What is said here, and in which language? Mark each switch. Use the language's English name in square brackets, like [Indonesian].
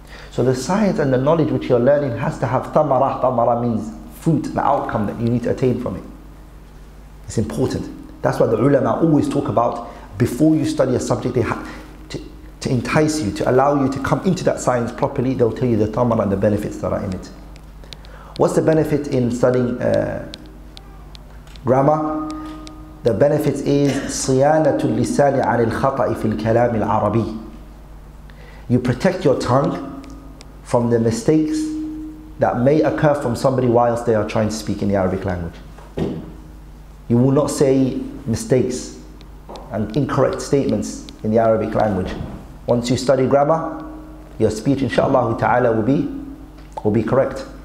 [English] So the science and the knowledge which you're learning has to have thamara. Thamara means fruit, the outcome that you need to attain from it. It's important. That's why the ulama always talk about, before you study a subject, they have to entice you, to allow you to come into that science properly. They'll tell you the thamara and the benefits that are in it. What's the benefit in studying grammar? The benefit is [Arabic] صِيَانَةُ اللِّسَانِ عَنِ الْخَطَأِ فِي الْكَلَامِ الْعَرَبِي. [English] You protect your tongue from the mistakes that may occur from somebody whilst they are trying to speak in the Arabic language. You will not say mistakes and incorrect statements in the Arabic language. Once you study grammar, your speech, inshallah ta'ala, will be correct.